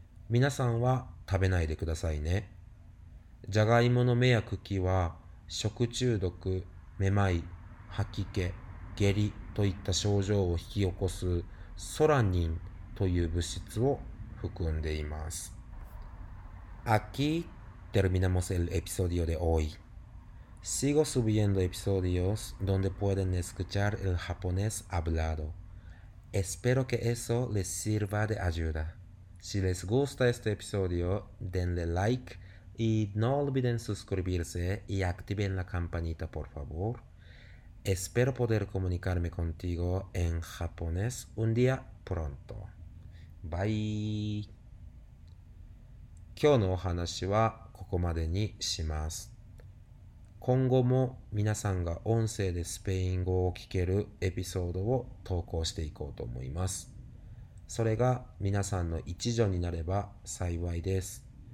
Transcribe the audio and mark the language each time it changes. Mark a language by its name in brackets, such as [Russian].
[Japanese] 皆さんは食べないでくださいね。じゃがいもの芽や茎は食中毒、めまい、吐き気、下痢といった症状を引き起こすソラニンという物質を含んでいます。 [Spanish] Aquí terminamos el episodio de hoy. Sigo subiendo episodios donde pueden escuchar el japonés habladoEspero que eso les sirva de ayuda. Si les gusta este episodio, denle like y no olviden suscribirse y activen la campanita, por favor. Espero poder comunicarme contigo en japonés un día pronto. [English] Bye. [Japanese] 今日のお話はここまでにします。今後も皆さんが音声でスペイン語を聞けるエピソードを投稿していこうと思います。それが皆さんの一助になれば幸いです。